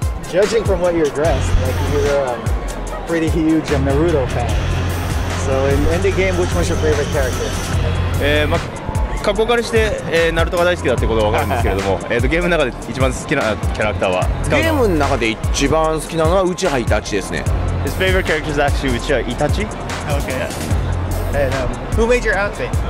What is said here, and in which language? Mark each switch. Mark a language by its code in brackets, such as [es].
[en] judging from what you're dressed, like you're a pretty huge Naruto fan. So in the game, which one's your favorite character? [ja] ま、過去からして、ナルトが大好きだってことは分かるんですけれども、ゲームの中で一番好きなキャラクターは、ゲームの中で一番好きなのはウチハイタチですね。 [en] His favorite character is actually Uchiha Itachi. Okay. And who made your outfit?